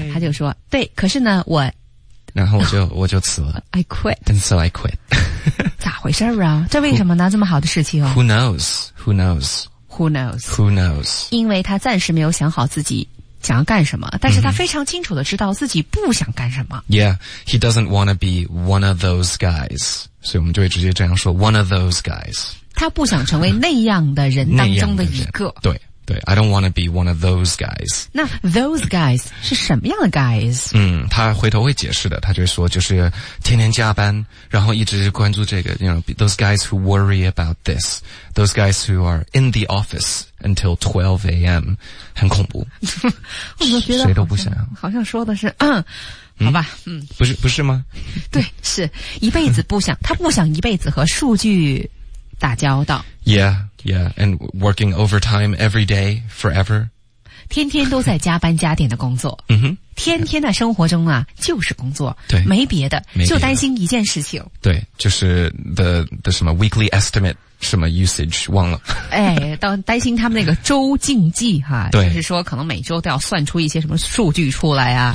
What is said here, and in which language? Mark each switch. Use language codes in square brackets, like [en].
[zh] 他就说对，可是呢我然后我就辞了 [en] I quit and so I quit [zh] 咋回事啊，这为什么呢？这么好的事情哦 [en] Who knows [zh] 因为他暂时没有想好自己想要干什么，但是他非常清楚地知道自己不想干什么。 [en] Yeah, he doesn't want to be one of those guys. [zh] 所以我们就会直接这样说 [en] one of those guys. [zh] 他不想成为那样的人当中的一个。对对 [en] ,I don't want to be one of those guys. [zh] 那 those guys 是什么样的 guys? 他回头会解释的，他就会说就是天天加班，然后一直关注这个 [en] you know, those guys who worry about this. Those guys who are in the office. Until 12 AM, [zh] 很恐怖。我觉得谁都不想，好像说的是，好吧，不是吗？对，是一辈子不想，他不想一辈子和数据打交道。 [en] Yeah, yeah, and working overtime every day forever. [zh] 天天都在加班加点的工作。天天在生活中啊，就是工作，对，没别的，没别的，就担心一件事情。对，就是 the 什么 [en] weekly estimate。 [zh] 什么 usage 忘了哎，担心他们那个周竞技哈，对，就是说可能每周都要算出一些什么数据出来啊